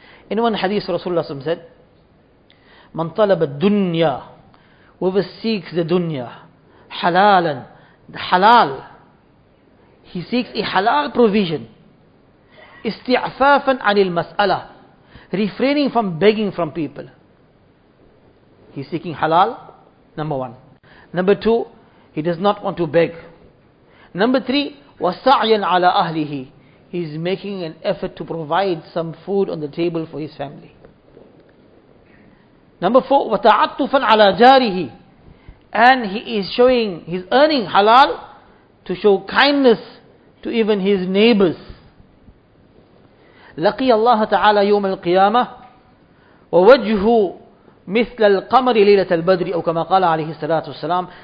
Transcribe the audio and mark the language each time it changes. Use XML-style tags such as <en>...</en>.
<en>In one hadith, Rasulullah SAW said,</en> <ar>Man talab ad-dunya,</ar> <en>whoever seeks the dunya,</en> <ar>halalan,</ar> <en>the halal, he seeks a halal provision.</en> <ar>Isti'afafan anil mas'ala,</ar> <en>refraining from begging from people. He's seeking halal, Number one. Number two, he does not want to beg. Number three,</en> <ar>وَسَعْيًا عَلَىٰ أَهْلِهِ.</ar> <en>He's making an effort to provide some food on the table for his family. Number four,</en> <ar>وَتَعَطُّفًا عَلَىٰ جَارِهِ.</ar> <en>And he is showing, he's earning halal to show kindness to even his neighbors.</en> <ar>لَقِيَ اللَّهَ تَعَالَى يَوْمَ الْقِيَامَةِ وَوَجْهُ مِثْلَ الْقَمَرِ لَيْلَةَ الْبَدْرِ أَوْ كَمَا قَالَ عَلَيْهِ السَّلَاةُ وَالسَّلَامُ.</ar>